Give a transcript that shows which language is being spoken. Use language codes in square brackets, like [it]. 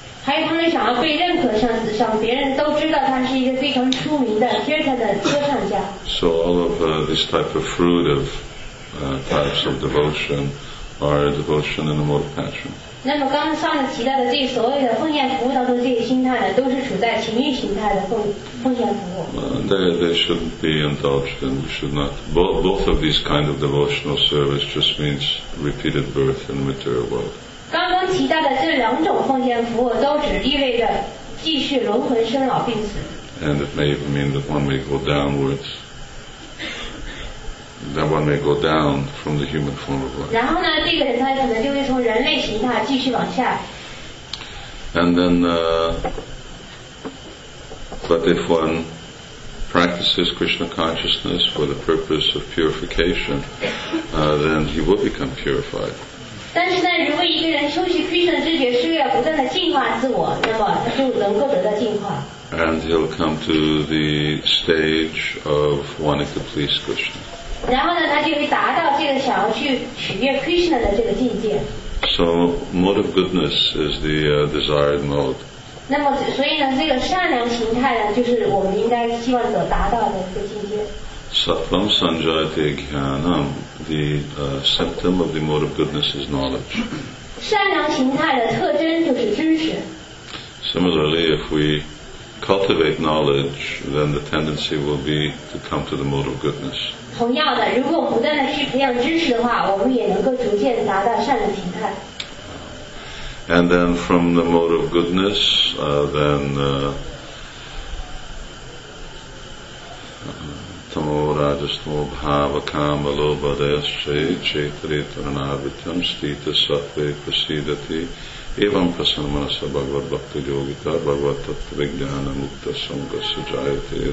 [en] So all of this type of fruit of types of devotion are a devotion in the mode of passion. They shouldn't be indulged in. We should not. Both of these kind of devotional service just means repeated birth in the material world. [zh] 刚刚提到的这两种奉献服务都只意味着继续轮回生老病死。 [en] And it may even mean that one may go downwards. That one may go down from the human form of life. [zh] 然后呢，这个人他可能就会从人类形态继续往下。 [en] And then, but if one practices Krishna consciousness for the purpose of purification, then he will become purified. [zh] 但是呢，如果一个人修习 Krishna 知觉，是为了不断的净化自我，那么他就能够得到净化。 [en] And he'll come to the stage of wanting to please Krishna. [zh] 然后呢，他就会达到这个想要去取悦 Krishna 的这个境界。 [en] So mode of goodness is the desired mode. [zh] 那么所以呢，这个善良形态呢，就是我们应该希望所达到的一个境界。 [sa] Sattvam sanjayate jnanam, [en] the symptom of the mode of goodness is knowledge. [zh] 善良形态的特征就是知识。 [en] Similarly, if we cultivate knowledge, then the tendency will be to come to the mode of goodness. [zh] 同样的，如果我们不断的去培养知识的话，我们也能够逐渐达到善的形态。 [en] And then from the mode of goodness, then [sa] tamo rajas tamo bhava kama lobha desha chaitrita ranavitam stita sattva prasidati evam prasanna sabhagvat bhakti yogita bhagavat tattva jnana mukta sangha sujayate.